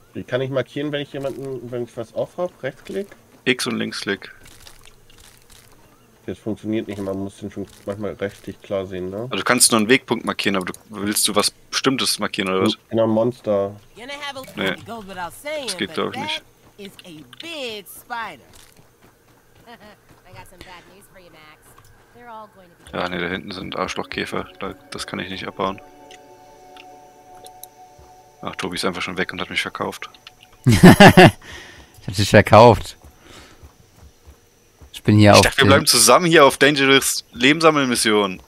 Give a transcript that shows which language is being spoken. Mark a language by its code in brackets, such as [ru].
[de] Wie kann ich markieren, wenn ich jemanden, wenn ich was aufhab? Rechtsklick? X und Linksklick. Das funktioniert nicht, man muss den schon manchmal rechtlich klar sehen, ne? Also du kannst nur einen Wegpunkt markieren, aber du willst du was Bestimmtes markieren, oder was? Genau, Monster. Nee, das geht glaube ich nicht. [en] Is a big spider. I got some bad news for you, Max. They're all going to be... [de] Ja, nee, da hinten sind Arschlochkäfer, das kann ich nicht abbauen. Ach, Tobi ist einfach schon weg und hat mich verkauft. Ich hab dich verkauft. Bin hier ich auf dachte, wir bleiben zusammen hier auf Dangerous Lebenssammelmission.